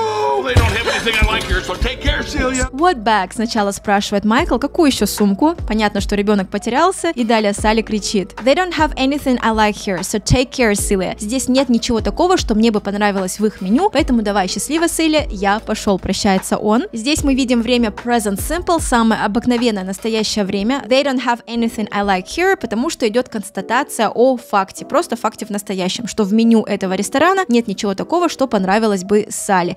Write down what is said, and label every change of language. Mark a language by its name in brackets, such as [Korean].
[English] What bag? [Russian] Сначала спрашивает Майкл, какую еще сумку? Понятно, что ребенок потерялся, и далее Салли кричит. [English] They don't have anything I like here, so take care, Silly. [Russian] Здесь нет ничего такого, что мне бы понравилось в их меню, поэтому давай, счастливо, Silly, я пошел, прощается он. Здесь мы видим время present simple, самое обыкновенное настоящее время. [English] They don't have anything I like here, [Russian] потому что идет констатация о факте, просто факте в настоящем, что в меню этого ресторана нет ничего такого, что понравилось бы Салли.